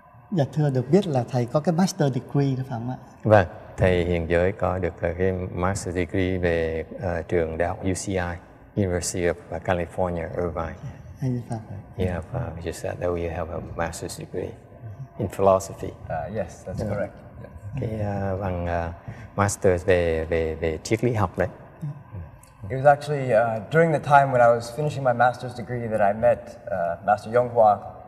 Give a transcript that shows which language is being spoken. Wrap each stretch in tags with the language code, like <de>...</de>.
<vi>Dạ thưa, được biết là thầy có cái master degree đó phải không ạ? Vâng, thầy Hiền Giới có được cái master degree về trường đại học UCI, University of California, Irvine.</vi> <en>Yeah, you said that you have a master's degree in philosophy. Yes, that's correct.</en> <vi>Cái bằng master's về triết lý học đấy.</vi> <en>It was actually during the time when I was finishing my master's degree that I met Master Yonghua.</en>